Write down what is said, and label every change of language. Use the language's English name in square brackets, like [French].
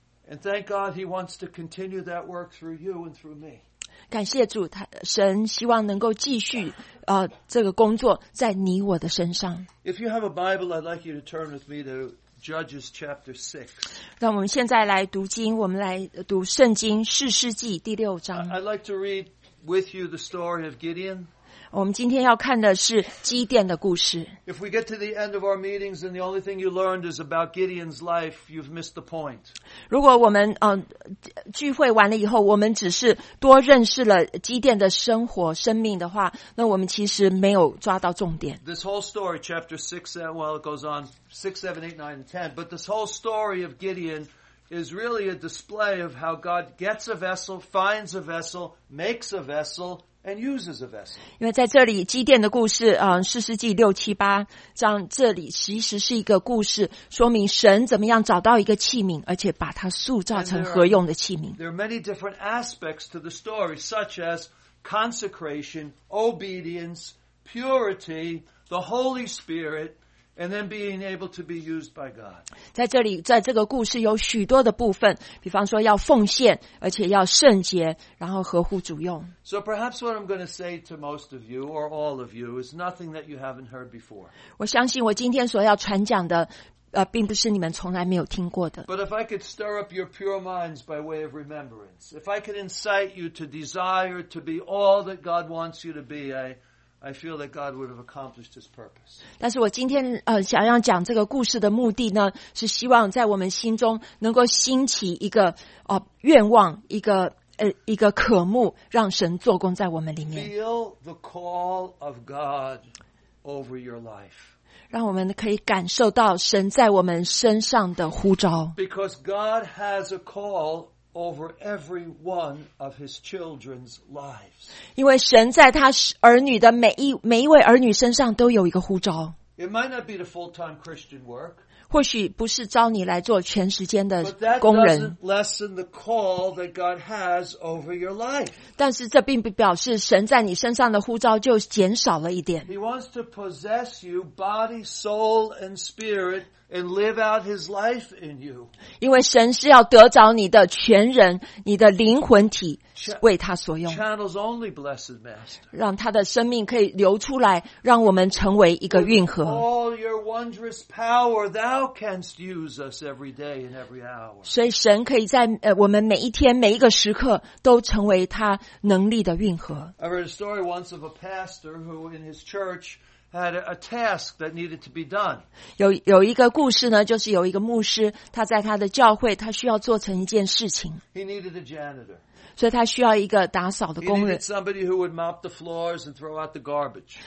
[English] And thank God he wants to continue that work through you and through me. [Chinese] 感谢主，神希望能够继续这个工作在你我的身上。 [English] If you have a Bible, I'd like you to turn with me to Judges chapter 6. [Chinese] 让我们现在来读经，我们来读圣经士师记第六章。 [English] I'd like to read with you the story of Gideon. [Chinese] 我们今天要看的是基甸的故事。 [English] If we get to the end of our meetings and the only thing you learned is about Gideon's life, you've missed the point. [Chinese] 如果我们聚会完了以后，我们只是多认识了基甸的生活、生命的话，那我们其实没有抓到重点。 [English] This whole story, chapter 6, well, it goes on 6, 7, 8, 9, and 10, but this whole story of Gideon is really a display of how God gets a vessel, finds a vessel, makes a vessel, and uses a vessel. [Chinese] 因为在这里基甸的故事，四世纪六七八章，这里其实是一个故事，说明神怎么样找到一个器皿，而且把它塑造成合用的器皿。 [English] There are many different aspects to the story, such as consecration, obedience, purity, the Holy Spirit. And then being able to be used by God. [Chinese] 在这里，在这个故事有许多的部分，比方说要奉献，而且要圣洁，然后合乎主用。 [English] So perhaps what I'm going to say to most of you or all of you is nothing that you haven't heard before. [Chinese] 我相信我今天所要传讲的，并不是你们从来没有听过的。 [English] But if I could stir up your pure minds by way of remembrance, if I could incite you to desire to be all that God wants you to be, I feel that God would have accomplished His purpose. [Chinese] 但是我今天想要讲这个故事的目的呢，是希望在我们心中能够兴起一个愿望，一个渴慕，让神做工在我们里面。 [English] Feel the call of God over your life. [Chinese] 让我们可以感受到神在我们身上的呼召。 [English] Because God has a call. Over every one of his children's lives. [Chinese] 因为神在他儿女的每一位儿女身上都有一个呼召。 [English] It might not be the full-time Christian work. [Chinese] 或许不是招你来做全时间的工人。 [English] But that doesn't lessen the call that God has over your life. [Chinese] 但是这并不表示神在你身上的呼召就减少了一点。 [English] He wants to possess you body, soul, and spirit. And live out his life in you. [Chinese] 因为神是要得着你的全人，你的灵魂体为他所用。 [English] Channels only blessed master. [Chinese] 让他的生命可以流出来，让我们成为一个运河。 [English] All your wondrous power, thou canst use us every day and every hour. [Chinese] 所以神可以在我们每一天每一个时刻都成为他能力的运河。 [English] I read a story once of a pastor who in his church. Had a task that needed to be done. [Chinese] 有一个故事呢，就是有一个牧师，他在他的教会，他需要做成一件事情。 [English] He needed a janitor. [Chinese] 所以他需要一个打扫的工人。 [English] He needed somebody who would mop the floors and throw out the garbage.